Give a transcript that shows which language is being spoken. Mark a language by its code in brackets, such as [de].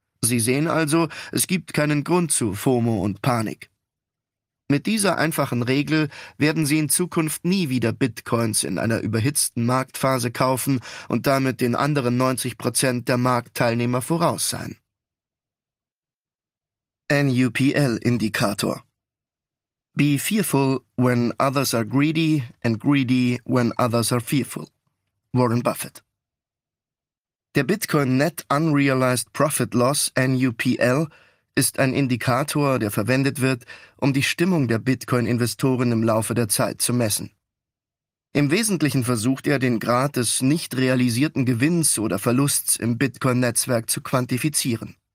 [de] Sie sehen also, es gibt keinen Grund zu FOMO und Panik. Mit dieser einfachen Regel werden Sie in Zukunft nie wieder Bitcoins in einer überhitzten Marktphase kaufen und damit den anderen 90% der Marktteilnehmer voraus sein. [en] NUPL-Indikator: Be fearful when others are greedy and greedy when others are fearful. Warren Buffett. [de] Der Bitcoin Net Unrealized Profit Loss, NUPL, ist ein Indikator, der verwendet wird, um die Stimmung der Bitcoin-Investoren im Laufe der Zeit zu messen. Im Wesentlichen versucht er, den Grad des nicht realisierten Gewinns oder Verlusts im Bitcoin-Netzwerk zu quantifizieren.